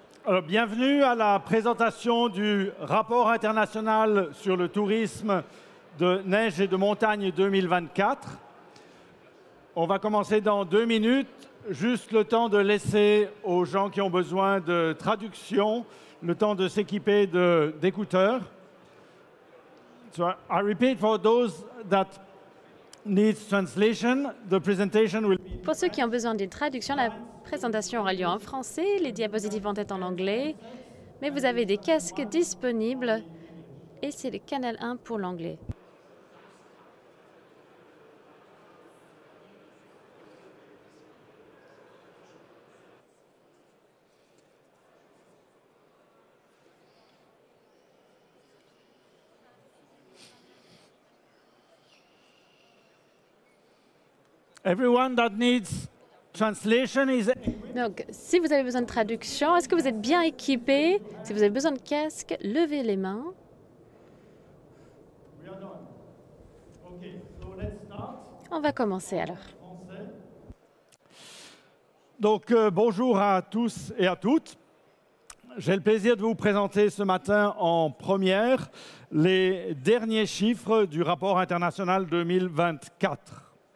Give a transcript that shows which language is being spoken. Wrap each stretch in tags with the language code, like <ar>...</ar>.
<fr>Alors, bienvenue à la présentation du rapport international sur le tourisme de neige et de montagne 2024. On va commencer dans 2 minutes, juste le temps de laisser aux gens qui ont besoin de traduction, le temps de s'équiper d'écouteurs.</fr> <en>So I repeat for those that needs translation, the presentation will be...</en> <fr>Pour ceux qui ont besoin d'une traduction, la présentation aura lieu en français, les diapositives vont être en anglais, mais vous avez des casques disponibles et c'est le canal 1 pour l'anglais.</fr> <en>Everyone that needs translation is...</en> <fr>Donc, si vous avez besoin de traduction, est-ce que vous êtes bien équipé? Si vous avez besoin de casque, levez les mains.</fr> <en>We are done. Okay, so let's start.</en> <fr>On va commencer alors. Donc, bonjour à tous et à toutes. J'ai le plaisir de vous présenter ce matin en première les derniers chiffres du rapport international 2024.</fr>